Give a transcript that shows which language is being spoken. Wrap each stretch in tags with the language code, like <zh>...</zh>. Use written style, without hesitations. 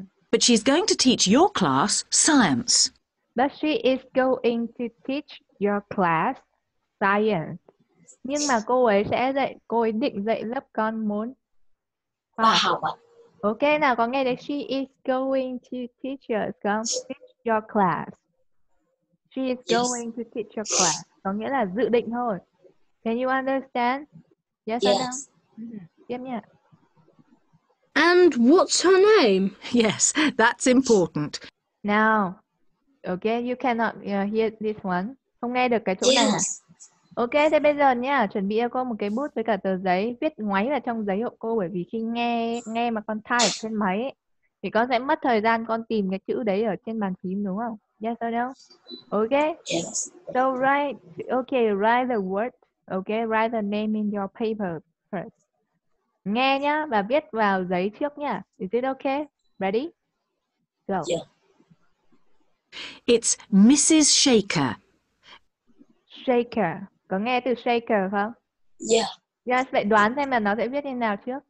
<en>But she's going to teach your class science. But she is going to teach your class science.</en> <vi>Nhưng mà cô ấy sẽ dạy, cô ấy định dạy lớp con môn khoa học ạ. Ok, nào có nghe được</vi> <en>she is going to teach us,</en> <vi>không?</vi> <en>Teach your class. She is going to teach your class.</en> <vi>Có nghĩa là dự định thôi.</vi> <en>Can you understand? Yes, yes. I know.</en> <vi>Tiếp nhé.</vi> <en>And what's her name? Yes, that's important. Now, okay, you cannot hear this one.</en> <vi>Không nghe được cái chỗ</vi> <en>yes.</en> <vi>này hả? Ok, thế bây giờ nha, chuẩn bị cho cô một cái bút với cả tờ giấy, viết ngoáy vào trong giấy hộ cô, bởi vì khi nghe mà con type trên máy ấy, thì con sẽ mất thời gian con tìm cái chữ đấy ở trên bàn phím, đúng không?</vi> <en>Yes or no? Ok? Yes. So write, ok, write the word, ok, write the name in your paper first.</en> <vi>Nghe nhá, và viết vào giấy trước nha.</vi> <en>Is it ok? Ready? Go. Yeah. It's Mrs. Shaker.</en> <vi>Shaker. Có nghe từ shaker không?</vi> <en>Yeah.</en> <vi>Yes, vậy đoán xem là nó sẽ viết như nào trước.</vi>